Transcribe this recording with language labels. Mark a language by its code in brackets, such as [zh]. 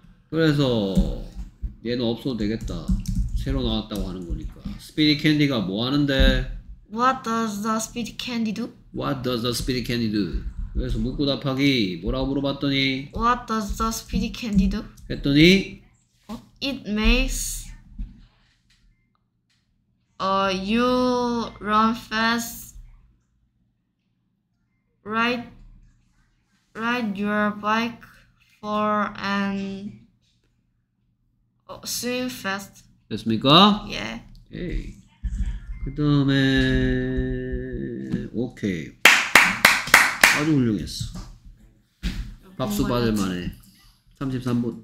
[ko] 그래서 얘는 없어도 되겠다. 새로 나왔다고 하는 거니까. 스피디 캔디가 뭐 하는데? [en] What does the speedy candy do? What does the speedy candy do? [ko] 그래서 묻고 답하기 뭐라고 물어봤더니 [en] What does the speedy candy do? [ko] 했더니 [en] It makes you run fast ride your bike for and swim fast. [ko] 됐습니까? [en] Yeah. Okay. [ko] 그 다음에 오케이 아주 훌륭했어. 박수 받을 만해. 33분.